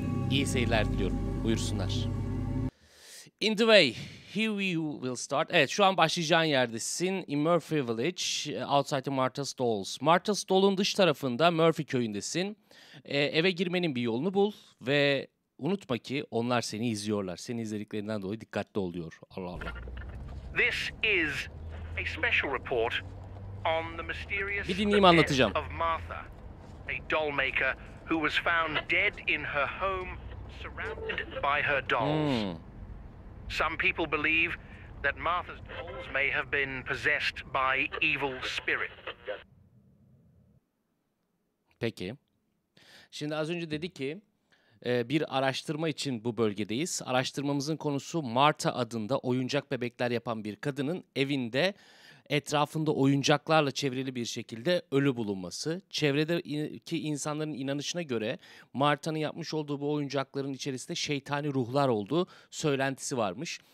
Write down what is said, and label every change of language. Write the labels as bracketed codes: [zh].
[tr] İyi seyirler diliyorum. Buyursunlar. [en] In the way, here we will start. [tr] Evet, şu an başlayacağın yerdesin. [en] In Murphy Village, outside of Martha's Dolls. [tr] Martha's Doll'un dış tarafında Murphy köyündesin. Eve girmenin bir yolunu bul ve unutma ki onlar seni izliyorlar. Seni izlediklerinden dolayı dikkatli ol diyor. Allah Allah. [en] This is a special report on the mysterious [tr] bir dinleyeyim, anlatacağım. [en] Of Martha, a doll maker who was found dead in her home surrounded by her dolls. Hmm. Some people believe that Martha's dolls may have been possessed by evil spirit. [tr] Peki. Şimdi az önce dedi ki, bir araştırma için bu bölgedeyiz. Araştırmamızın konusu Martha adında oyuncak bebekler yapan bir kadının evinde etrafında oyuncaklarla çevrili bir şekilde ölü bulunması. Çevredeki insanların inanışına göre Martha'nın yapmış olduğu bu oyuncakların içerisinde şeytani ruhlar olduğu söylentisi varmış.